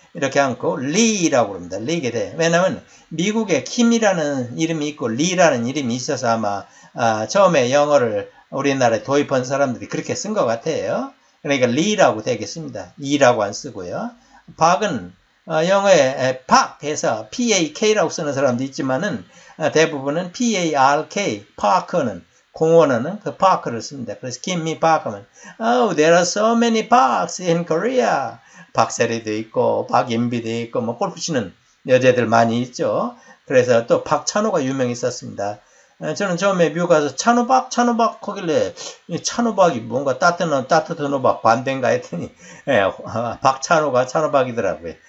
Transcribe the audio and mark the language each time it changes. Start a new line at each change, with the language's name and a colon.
Korean: 이렇게 않고 리라고 합니다. 리게 돼. 왜냐면 미국에 킴이라는 이름이 있고 리라는 이름이 있어서 아마 처음에 영어를 우리나라에 도입한 사람들이 그렇게 쓴것 같아요. 그러니까 리라고 되겠습니다. 이라고 안 쓰고요. 박은 영어에 팍 해서 PAK라고 쓰는 사람도 있지만은 대부분은 PARK 파크는 공원하는 그 파크를 씁니다. 그래서 김미 파크면
English: Oh, there are so many parks in Korea.
Korean: 박세리도 있고 박인비도 있고 뭐 골프 치는 여자들 많이 있죠. 그래서 또 박찬호가 유명했었습니다. 저는 처음에 미국 가서 찬호박 찬호박 하길래 찬호박이 뭔가 따뜻한 호박 반대인가 했더니 박찬호가 찬호박이더라고요.